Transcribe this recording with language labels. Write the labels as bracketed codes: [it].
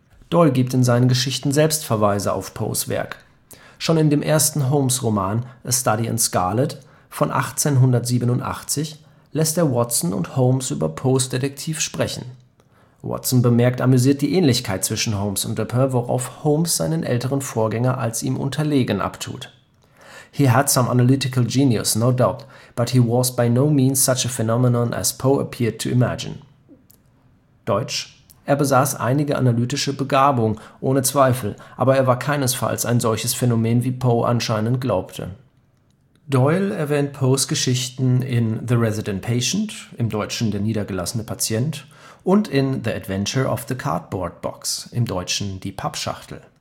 [de] Doyle gibt in seinen Geschichten selbst Verweise auf Poes Werk. Schon in dem ersten Holmes-Roman A Study in Scarlet von 1887 lässt er Watson und Holmes über Poes Detektiv sprechen. Watson bemerkt amüsiert die Ähnlichkeit zwischen Holmes und Dupin, worauf Holmes seinen älteren Vorgänger als ihm unterlegen abtut. [en] He had some analytical genius, no doubt, but he was by no means such a phenomenon as Poe appeared to imagine. [de] Deutsch: Er besaß einige analytische Begabung, ohne Zweifel, aber er war keinesfalls ein solches Phänomen, wie Poe anscheinend glaubte. Doyle erwähnt Poes Geschichten in The Resident Patient, im Deutschen Der niedergelassene Patient, und in The Adventure of the Cardboard Box, im Deutschen Die Pappschachtel.